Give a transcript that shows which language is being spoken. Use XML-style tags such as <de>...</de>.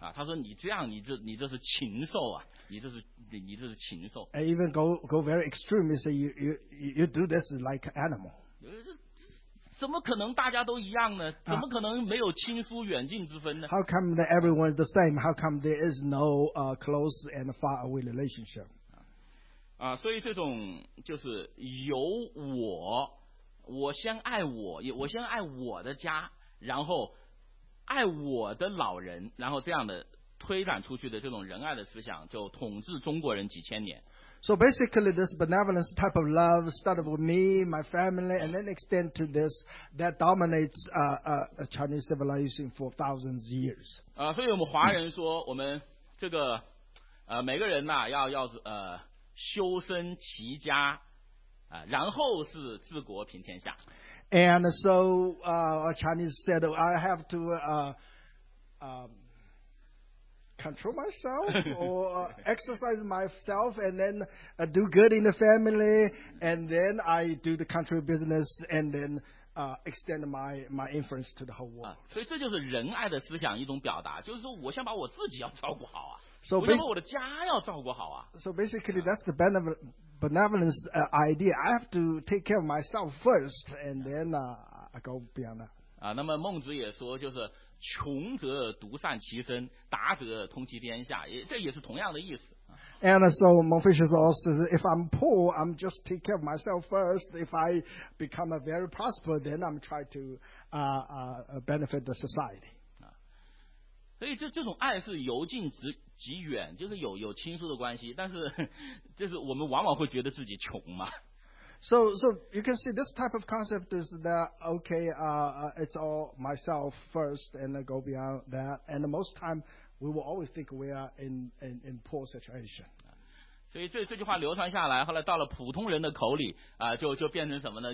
<zh>啊，他说你这样，你这是禽兽啊，你这是禽兽。</zh> <en>And even go very extreme, he said you do this like animal.</en> <zh>怎么可能大家都一样呢？怎么可能没有亲疏远近之分呢</zh> <en>？How come that everyone is the same? How come there is no close and far away relationship?</en> <zh>啊，所以这种就是由我，我先爱我，我先爱我的家，然后爱我的老人，然后这样的推展出去的这种仁爱的思想，就统治中国人几千年。</zh> <en>So basically, this benevolence type of love started with me, my family, and then extend to this that dominates a Chinese civilization for thousands of years.</en> <zh>所以我们华人说，我们这个每个人呐、啊，要修身齐家啊，然后是治国平天下。</zh> <en>And so a Chinese said, I have to control myself or exercise myself and then do good in the family and then I do the country business and then extend my influence to the whole world.</en> <zh>所以这就是仁爱的思想一种表达，就是说我先把我自己要照顾好啊。</zh> <en>So,</en> <zh>我先把我的家要照顾好啊。</zh> <en>So basically that's the benevolence idea. I have to take care of myself first and then I go beyond that.</en> <zh>那么孟子也说就是穷则独善其身，达则通其天下，这也是同样的意思。</zh> <en>And so Confucius also says, if I'm poor, I'm just take care of myself first. If I become a very prosper, then I'm try to benefit the society.</en> <zh>所以这种爱是由近及远，就是有亲疏的关系，但是就是我们往往会觉得自己穷嘛。</zh> <en>So you can see this type of concept is that okay, it's all myself first and go beyond that. And most time, we will always think we are in poor situation.</en> <zh>所以这句话流传下来，后来到了普通人的口里啊，就变成什么呢？</zh>